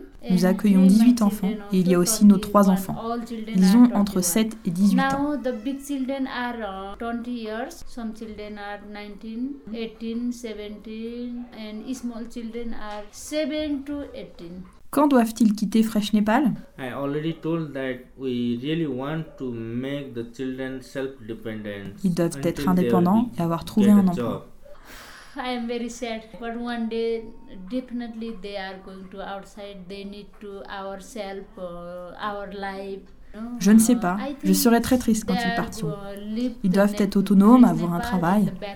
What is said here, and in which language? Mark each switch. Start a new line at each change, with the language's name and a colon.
French: Nous accueillons 18 enfants et il y a aussi nos 3 enfants. Ils ont entre 7 et 18 ans.
English: Now the big children are 20 years, some children are 19, 18, 17 and small children are 7 to 18.
French: Quand doivent-ils quitter Fresh Népal?
English: I already told that we really want to make the children self-dependent.
French: Ils doivent être indépendants et avoir trouvé un emploi.
English: I am very sad, but one day definitely they are going to outside, they need to ourselves, our life.
French: Je ne sais pas, je serai très triste quand ils partiront. Ils doivent être autonomes, avoir un travail.